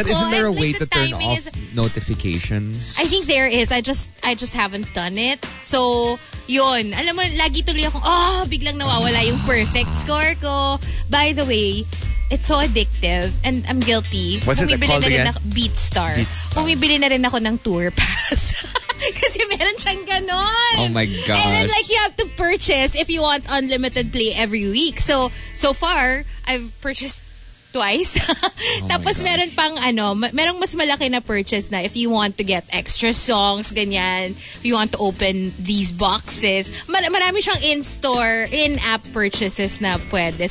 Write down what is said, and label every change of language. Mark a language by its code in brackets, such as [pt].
[en] But isn't there a way to turn off notifications? I think there is. I just haven't done it. So, [tl] yun. Alam mo, lagi tuloy akong, oh, biglang nawawala yung perfect score ko. [en] By the way, it's so addictive and I'm guilty. What's it called again? BeatStar. [tl] Pumibili na rin ako ng tour pass. Kasi meron siyang ganon. [en] Oh my gosh. And then like you have to purchase if you want unlimited play every week. So far, I've purchased twice. [tl] Tapos meron pang ano, merong mas malaki na purchase na [en] if you want to get extra songs, [tl] ganyan. [en] If you want to open these boxes. [tl] Marami siyang in-store, in-app purchases na pwede.